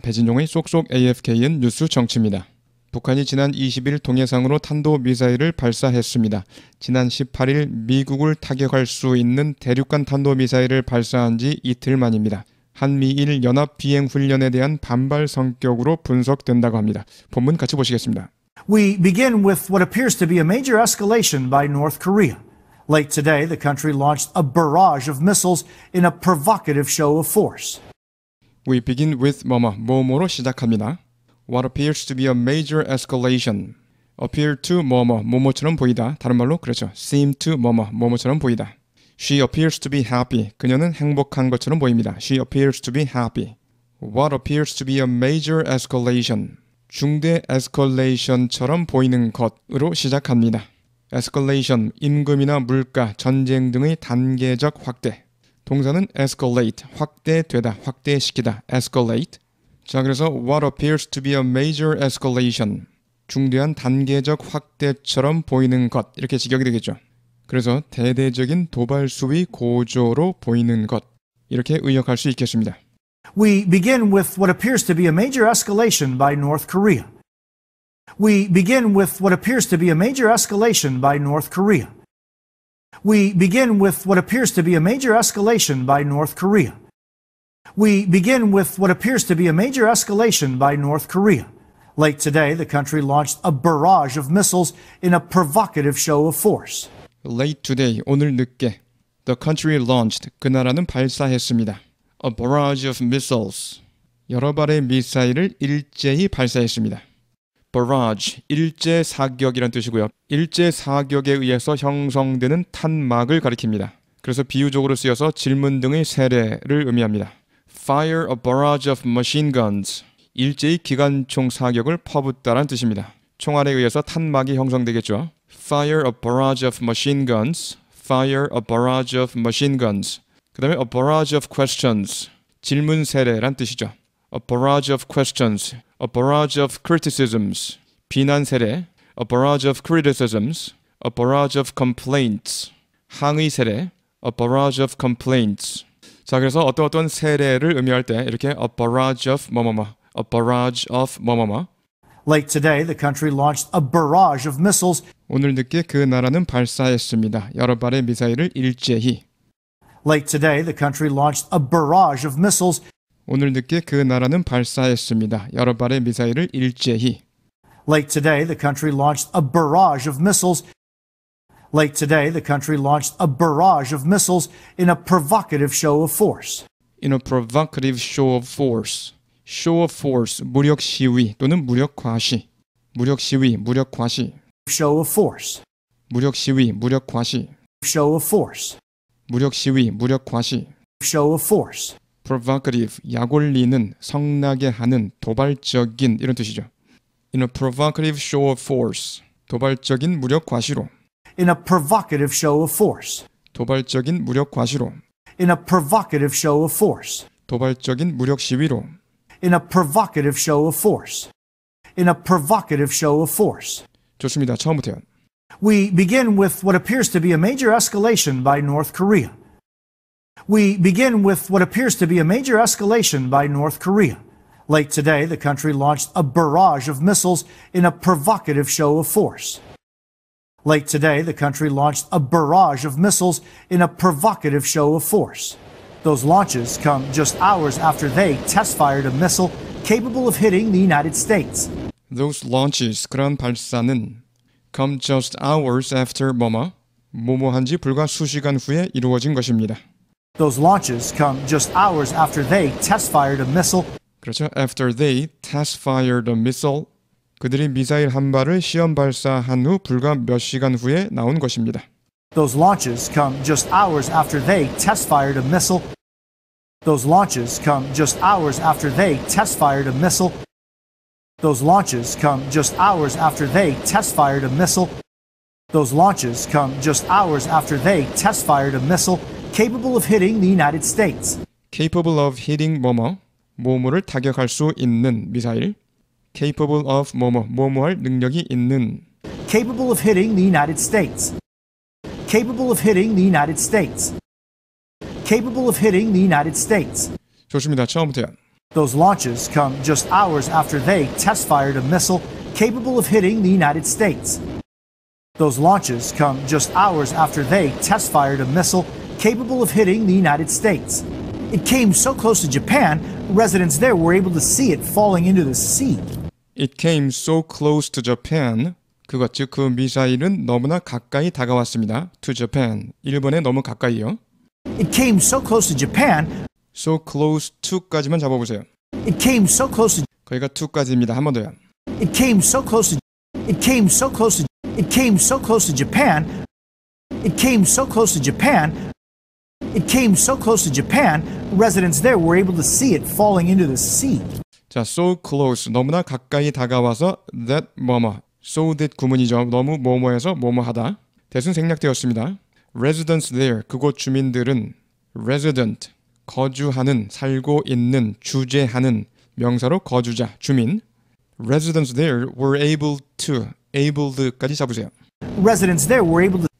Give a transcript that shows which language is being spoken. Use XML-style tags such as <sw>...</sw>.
<ko>배진용의 쏙쏙 AFKN 뉴스 정치입니다. 북한이 지난 20일 동해상으로 탄도미사일을 발사했습니다. 지난 18일 미국을 타격할 수 있는 대륙간 탄도미사일을 발사한 지 이틀 만입니다. 한미일 연합 비행훈련에 대한 반발 성격으로 분석된다고 합니다. 본문 같이 보시겠습니다.</ko> <en>We begin with what appears to be a major escalation by North Korea. Late today, the country launched a barrage of missiles in a provocative show of force. We begin with</en> <ko>뭐뭐로 시작합니다.</ko> <en>What appears to be a major escalation. Appear to</en> <ko>뭐뭐처럼 보이다. 다른 말로 그렇죠.</ko> <en>Seem to</en> <ko>뭐뭐처럼 보이다.</ko> <en>She appears to be happy.</en> <ko>그녀는 행복한 것처럼 보입니다.</ko> <en>She appears to be happy. What appears to be a major escalation.</en> <ko>중대 에스컬레이션처럼 보이는 것으로 시작합니다. Escalation, 임금이나 물가, 전쟁 등의 단계적 확대. 동사는 escalate, 확대되다, 확대시키다, escalate. 자, 그래서</ko> <en>what appears to be a major escalation,</en> <ko>중대한 단계적 확대처럼 보이는 것, 이렇게 직역이 되겠죠. 그래서 대대적인 도발 수위 고조로 보이는 것, 이렇게 의역할 수 있겠습니다.</ko> <en>We begin with what appears to be a major escalation by North Korea. We begin with what appears to be a major escalation by North Korea. We begin with what appears to be a major escalation by North Korea. We begin with what appears to be a major escalation by North Korea. Late today, the country launched a barrage of missiles in a provocative show of force. Late today,</en> <ko>오늘 늦게.</ko> <en>The country launched,</en> <ko>그 나라는 발사했습니다.</ko> <en>A barrage of missiles.</en> <ko>여러 발의 미사일을 일제히 발사했습니다. Barrage, 일제 사격이란 뜻이고요. 일제 사격에 의해서 형성되는 탄막을 가리킵니다. 그래서 비유적으로 쓰여서 질문 등의 세례를 의미합니다.</ko> <en>Fire a barrage of machine guns.</en> <ko>일제의 기관총 사격을 퍼붓다란 뜻입니다. 총알에 의해서 탄막이 형성되겠죠.</ko> <en>Fire a barrage of machine guns. Fire a barrage of machine guns.</en> <ko>그 다음에</ko> <en>a barrage of questions.</en> <ko>질문 세례란 뜻이죠.</ko> <en>A barrage of questions. A barrage of criticisms,</en> <ko>비난 세례,</ko> <en>a barrage of criticisms, a barrage of complaints,</en> <ko>항의 세례,</ko> <en>a barrage of complaints.</en> <ko>자, 그래서 어떤 세례를 의미할 때 이렇게</ko> <en>a barrage of</en> <ko>뭐뭐뭐, a barrage of 뭐뭐뭐.</ko> <en>Late today, the country launched a barrage of missiles.</en> <ko>오늘 늦게 그 나라는 발사했습니다. 여러 발의 미사일을 일제히.</ko> <en>Late today, the country launched a barrage of missiles.</en> <ko>오늘 늦게 그 나라는 발사했습니다. 여러 발의 미사일을 일제히.</ko> <en>Late today, the country launched a barrage of missiles. Late today, the country launched a barrage of missiles in a provocative show of force. In a provocative show of force.</en> <ko>Show of force, 무력 시위 또는 무력 과시. 무력 시위, 무력 과시.</ko> <en>Show of force.</en> <ko>무력 시위, 무력 과시.</ko> <en>Show of force.</en> <ko>무력 시위, 무력 과시.</ko> <en>Show of force.</en> <ko>Provocative, 약올리는, 성나게 하는, 도발적인 이런 뜻이죠.</ko> <en>In a provocative show of force,</en> <ko>도발적인 무력 과시로.</ko> <en>In a provocative show of force,</en> <ko>도발적인 무력 과시로.</ko> <en>In a provocative show of force,</en> <ko>도발적인 무력 시위로.</ko> <en>In a provocative show of force, in a provocative show of force.</en> <ko>좋습니다. 처음부터요.</ko> <en>We begin with what appears to be a major escalation by North Korea. We begin with what appears to be a major escalation by North Korea. Late today, the country launched a barrage of missiles in a provocative show of force. Late today, the country launched a barrage of missiles in a provocative show of force. Those launches come just hours after they test-fired a missile capable of hitting the United States. Those launches,</en> <ko>그런 발사는,</ko> <en>come just hours after</en> <ko>뭐뭐한지 불과 수시간 후에 이루어진 것입니다.</ko> <en>Those launches come just hours after they test-fired a missile.</en> <ko>그렇죠.</ko> <en>After they test-fired a missile.</en> <ko>그들이 미사일 한 발을 시험 발사한 후 불과 몇 시간 후에 나온 것입니다.</ko> <en>Those launches come just hours after they test-fired a missile. Those launches come just hours after they test-fired a missile. Those launches come just hours after they test-fired a missile. Those launches come just hours after they test-fired a missile. Capable of hitting the United States. Capable of hitting</en> <ko>뭐뭐, 뭐뭐를 타격할 수 있는 미사일.</ko> <en>Capable of</en> <ko>뭐뭐, 뭐뭐할 능력이 있는.</ko> <en>Capable of hitting the United States. Capable of hitting the United States. Capable of hitting the United States. 좋습니다. 처음부터요. Those launches come just hours after they test-fired a missile capable of hitting the United States. Those launches come just hours after they test-fired a missile capable of hitting the United States. It came so close to Japan, residents there were able to see it falling into the sea. It came so close to Japan.</en> <ko>그것 즉 그 미사일은 너무나 가까이 다가왔습니다.</ko> <en>To Japan.</en> <ko>일본에 너무 가까이요.</ko> <en>It came so close to Japan. So close to</en> <ko>까지만 잡아보세요.</ko> <en>It came so close to.</en> <ko>거기가 to까지입니다. 한 번 더요.</ko> <en>It came so close to. It came so close to. It came so close to Japan. It came so close to Japan. It came so close to Japan. Residents there were able to see it falling into the sea.</en> <ko>자,</ko> <en>so close.</en> <ko>너무나 가까이 다가와서 that 뭐뭐. So that 구문이죠. 너무 뭐뭐해서 뭐뭐하다. 대신 생략되었습니다.</ko> <en>Residents there.</en> <ko>그곳 주민들은 resident. 거주하는, 살고 있는, 주재하는 명사로 거주자, 주민.</ko> <en>Residents there were able to. Able to까지</en> <ko>잡으세요.</ko> <en>Residents there were able to.</en>